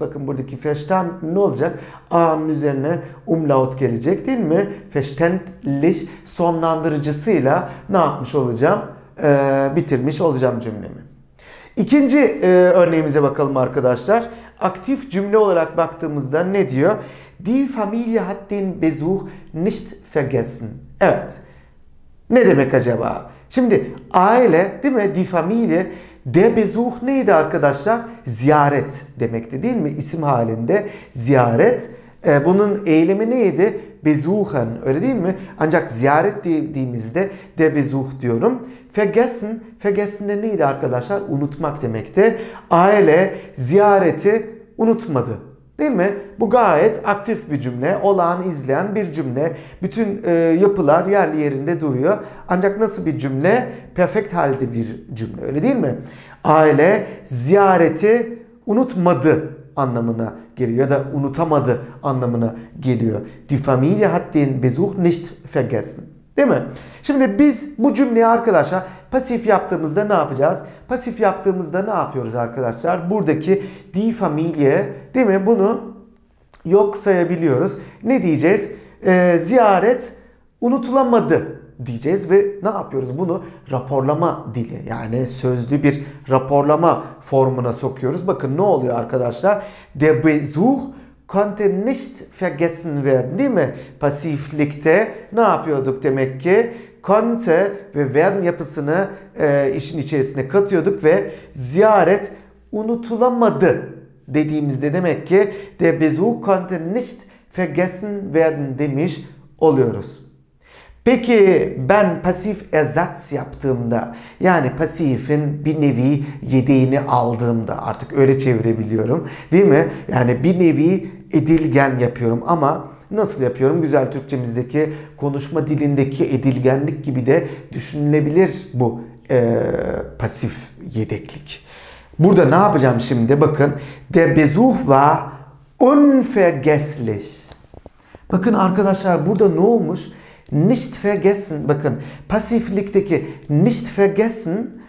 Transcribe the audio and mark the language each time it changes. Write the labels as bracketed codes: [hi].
[tr] Bakın buradaki verstanden ne olacak? A'nın üzerine umlaut gelecek değil mi? Verständlich sonlandırıcısıyla ne yapmış olacağım? Bitirmiş olacağım cümlemi. İkinci örneğimize bakalım arkadaşlar. Aktif cümle olarak baktığımızda ne diyor? [de] Die Familie hat den Besuch nicht vergessen. [tr] Evet. Ne demek acaba? Şimdi aile değil mi? Die Familie. Der Besuch neydi arkadaşlar? Ziyaret demekti değil mi? İsim halinde ziyaret. Bunun eylemi neydi? besuchen, öyle değil mi? Ancak ziyaret dediğimizde der Besuch diyorum. Vergessen, vergessen de neydi arkadaşlar? Unutmak demekti. Aile ziyareti unutmadı. Değil mi? Bu gayet aktif bir cümle. Olağan izleyen bir cümle. Bütün yapılar yerli yerinde duruyor. Ancak nasıl bir cümle? Perfekt halde bir cümle. Öyle değil mi? Aile ziyareti unutmadı anlamına geliyor. Ya da unutamadı anlamına geliyor. [de] Die Familie hat den Besuch nicht vergessen. [tr] Değil mi? Şimdi biz bu cümleyi arkadaşlar pasif yaptığımızda ne yapacağız? Pasif yaptığımızda ne yapıyoruz arkadaşlar? Buradaki die Familie, değil mi? Bunu yok sayabiliyoruz. Ne diyeceğiz? Ziyaret unutulamadı diyeceğiz ve ne yapıyoruz? Bunu raporlama dili, yani sözlü bir raporlama formuna sokuyoruz. Bakın ne oluyor arkadaşlar? [de] Der Besuch konnte nicht vergessen werden, değil mi? [tr] Pasiflikte ne yapıyorduk demek ki? Konnte ve werden yapısını işin içerisine katıyorduk ve ziyaret unutulamadı dediğimizde demek ki [de] der Besuch konnte nicht vergessen werden [tr] demiş oluyoruz. Peki ben pasif ersatz yaptığımda, yani pasifin bir nevi yedeğini aldığımda, artık öyle çevirebiliyorum değil mi? Yani bir nevi edilgen yapıyorum ama nasıl yapıyorum? Güzel Türkçemizdeki konuşma dilindeki edilgenlik gibi de düşünülebilir bu pasif yedeklik. Burada ne yapacağım şimdi? Bakın. [de] Der Besuch war unvergesslich. [tr] Bakın arkadaşlar burada ne olmuş? [de] Nicht vergessen. [tr] Bakın pasiflikteki [de] nicht vergessen.